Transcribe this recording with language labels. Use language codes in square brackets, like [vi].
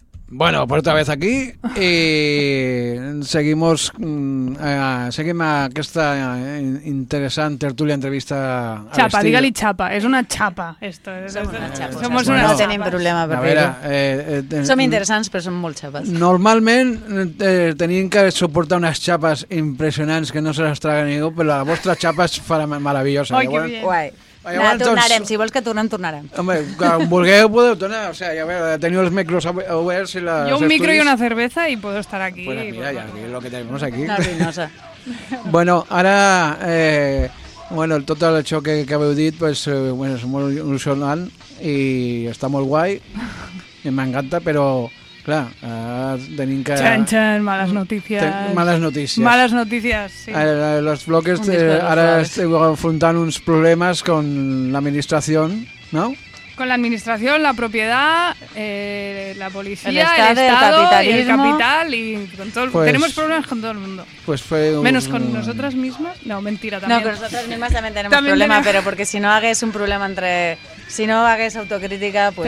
[es] Bueno, pues otra vez aquí y seguimos [ca] seguim aquesta interessant tertúlia entrevista. Chapa, digue-li chapa, és una chapa esto. Som una chapa. No tenim problema per dir-ho. Som interessants però som molt chapas. Normalment tenim que suportar unes chapas impressionants que no se les traga ningú, però la vostra chapa és maravillosa. Oi, que bé. Tornarem, si vols que tornarem. Home, quan vulgueu podeu tornar, o sea, ja veure, teniu els micros oberts i les... [es] Jo un micro i una cerveza i puedo estar aquí. [ca] Pues mira, ja és el que tenim aquí. La ruïnosa. Bueno, ara, bueno, tot això que heu dit, pues, bueno, és molt il·lusionant i està molt guai i m'encanta, però... Clar, tenim que... Txan, males notícies. Males notícies, sí. Els bloques, ara esteu afrontant uns problemes con l'administració, no? Con l'administració, la propietat, la policia, [es] l'estado, el capital y con todo, pues, tenemos problemas con todo el mundo. Pues fue menos con nosotras mismas. No, mentira, también. No, con nosotras mismas también tenemos también problema, pero porque si no hagués un problema entre... Si no hagués autocrítica, pues